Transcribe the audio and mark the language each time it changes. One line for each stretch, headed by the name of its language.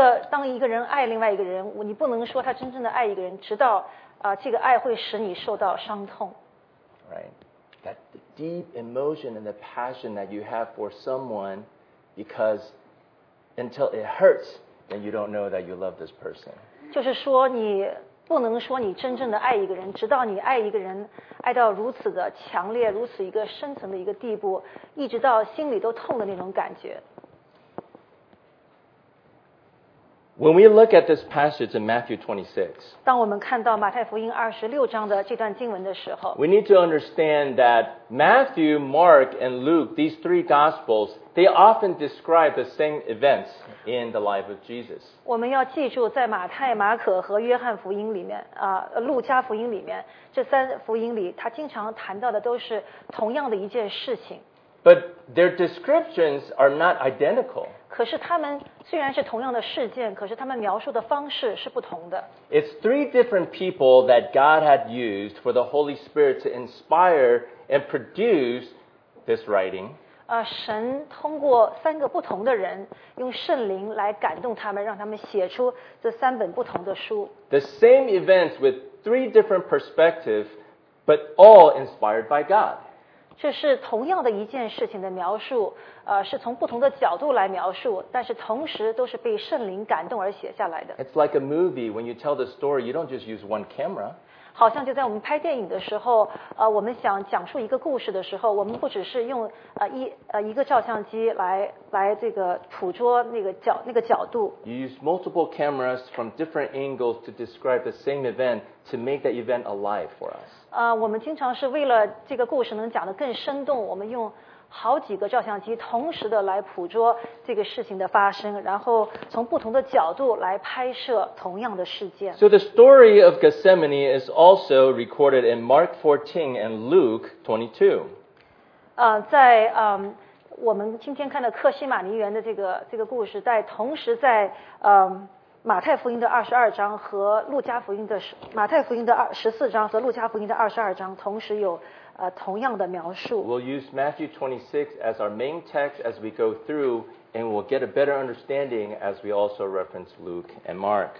Chinese: 当一个人爱另外一个人，你不能说他真正的爱一个人，直到这个爱会使你受到伤痛。
English: Right. That deep emotion and the passion that you have for someone because until it hurts, then you don't know that you love this person.
Chinese: 就是说你不能说你真正的爱一个人，直到你爱一个人爱到如此的强烈，如此一个深层的一个地步，一直到心里都痛的那种感觉。
English: When we look at this passage in Matthew 26,
Chinese: 当我们看到马太福音二十六章的这段经文的时候，
English: we need to understand that Matthew, Mark, and Luke, these three Gospels, they often describe the same events in the life of Jesus.
Chinese: 我们要记住在马太、马可和约翰福音里面，路加福音里面，这三福音里，他经常谈到的都是同样的一件事情。
English: But their descriptions are not identical.
Chinese: 可是他们虽然是同样的事件，可是他们描述的方式是不同的。
English: It's three different people that God had used for the Holy Spirit to inspire and produce this writing.
Chinese: 神通过三个不同的人，用圣灵来感动他们，让他们写出这三本不同的书。
English: The same events with three different perspectives, but all inspired by God.
Chinese: 这是同样的一件事情的描述，是从不同的角度来描述，但是同时都是被圣灵感动而写下来的。
English: It's like a movie. When you tell the story, you don't just use one camera.
Chinese: 好像就在我们拍电影的时候，我们想讲述一个故事的时候，我们不只是用一个照相机来这个捕捉那个角度。
English: You use multiple cameras from different angles to describe the same event to make that event alive for us.
Chinese: 我们经常是为了这个故事能讲得更生动，我们用好几个照相机同时的来捕捉这个事情的发生，然后从不同的角度来拍摄同样的事件。
English: So the story of Gethsemane is also recorded in Mark 14 and Luke 22.
Chinese: 在我们今天看到克西马尼园的这个故事，在同时在马太福音的二十二章和路加福音的马太福音的十四章和路加福音的二十二章同时有同样的描述。
English: We'll use Matthew 26 as our main text as we go through, and we'll get a better understanding as we also reference Luke and Mark.